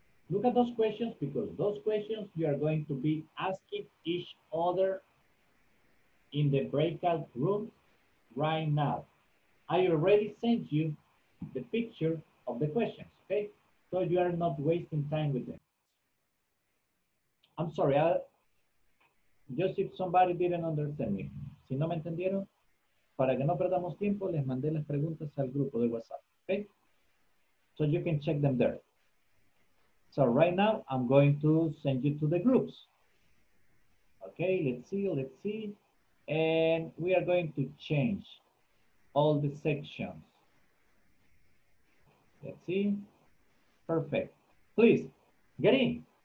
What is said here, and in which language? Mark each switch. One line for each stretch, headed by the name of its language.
English: Look at those questions, because those questions you are going to be asking each other in the breakout room right now. I already sent you the picture of the questions, okay? So you are not wasting time with them. I'm sorry, just if somebody didn't understand me.
Spanish: Si no me entendieron, para que no perdamos tiempo, les mandé las preguntas al grupo de WhatsApp, okay?
English: So you can check them there. So right now, I'm going to send you to the groups. Okay, let's see. And we are going to change all the sections. Let's see. Perfect. Please, get in.